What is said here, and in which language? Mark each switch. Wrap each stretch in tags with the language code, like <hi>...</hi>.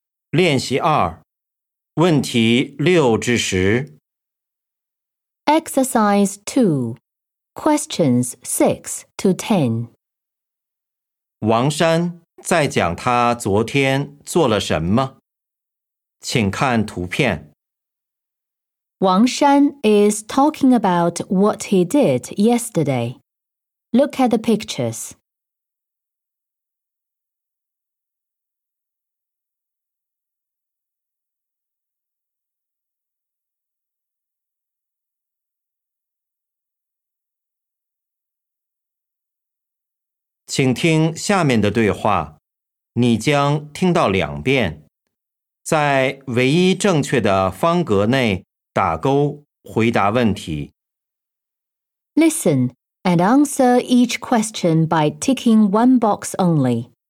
<zh>练习二，问题六至十。</zh> <en>Exercise 2, questions 6 to 10.</en> <zh>王山在讲他昨天做了什么？请看图片。</zh> <en>Wang Shan is talking about what he did yesterday. Look at the pictures.</en> <zh>请听下面的对话，你将听到两遍，在唯一正确的方格内打勾回答问题。</zh> <en>Listen and answer each question by ticking one box only.</en>